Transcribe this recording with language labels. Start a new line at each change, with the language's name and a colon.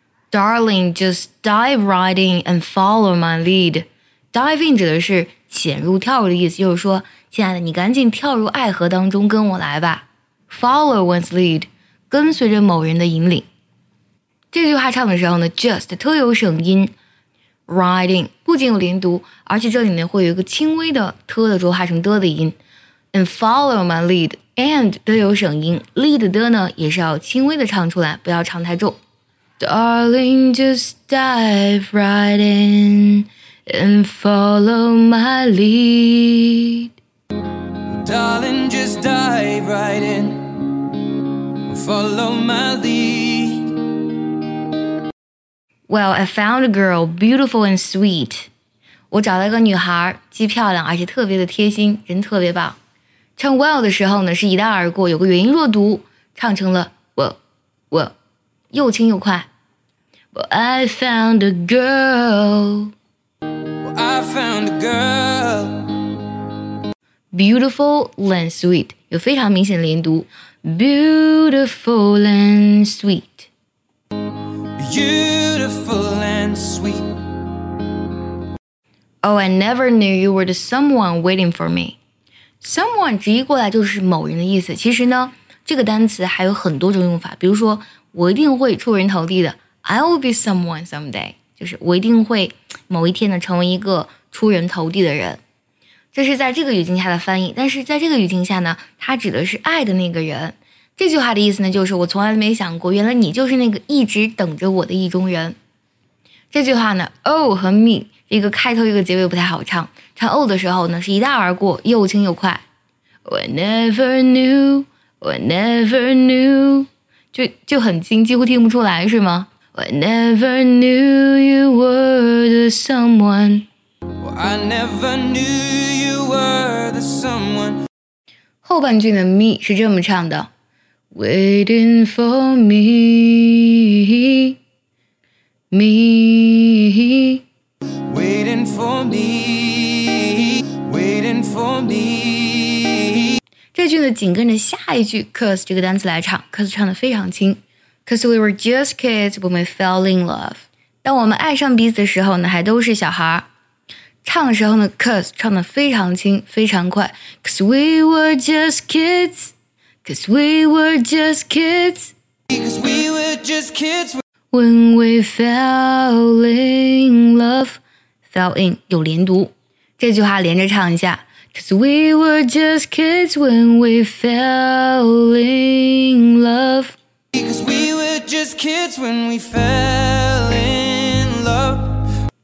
English: Darling, just dive right in And follow my lead
Chinese: Dive in 指的是潜入跳入的意思，就是说亲爱的，你赶紧跳入爱河当中跟我来吧。
English: Follow one's lead，
Chinese: 跟随着某人的引领。这句话唱的时候呢， just 特有省音，
English: riding
Chinese: 不仅有连读，而且这里呢会有一个轻微的 t 的浊化成 d 的音。
English: and follow my lead
Chinese: and 特有省音， lead 的呢也是要轻微的唱出来，不要唱太重。
English: Darling, just dive right inAnd follow my lead Darling, just dive right in Follow my lead Well, I found a girl beautiful and sweet
Chinese: 我找到一个女孩，既漂亮而且特别的贴心，人特别棒。唱 well 的时候呢，是一带而过，有个元音弱读，唱成了 well, well 又轻又快。
English: Well, I found a girl I found a girl Beautiful and sweet
Chinese: 有非常明显的连读
English: Beautiful and sweet Beautiful and sweet Oh, I never knew you were the someone waiting for me
Chinese: Someone 直译过来就是某人的意思，其实呢这个单词还有很多种用法，比如说我一定会出人头地的，
English: I will be someone someday，
Chinese: 就是我一定会某一天呢成为一个出人头地的人，这是在这个语境下的翻译。但是在这个语境下呢，它指的是爱的那个人。这句话的意思呢，就是我从来没想过，原来你就是那个一直等着我的意中人。这句话呢 ，oh 和 me 一个开头一个结尾不太好唱，唱 oh 的时候呢是一带而过，又轻又快。
English: 我 never knew, 我 never knew，
Chinese: 就很轻，几乎听不出来，是吗？
English: I never knew you were the someone I never knew you were the someone.
Chinese: 后半句的 me 是这么唱的
English: Waiting for me, me, waiting for me, waiting for me.
Chinese: 这句呢紧跟着下一句 cause 这个单词来唱 cause 唱得非常轻
English: cause we were just kids when we fell in love
Chinese: 当我们爱上彼此的时候呢还都是小孩唱的时候呢 cause 唱得非常轻非常快
English: cause we were just kids
Chinese: cause we were just kids
English: cause we were just kids when we fell in love fell in
Chinese: 有连读这句话连着唱一下
English: Cause we were just kids when we fell in love. Cause we were just kids when we fell in love.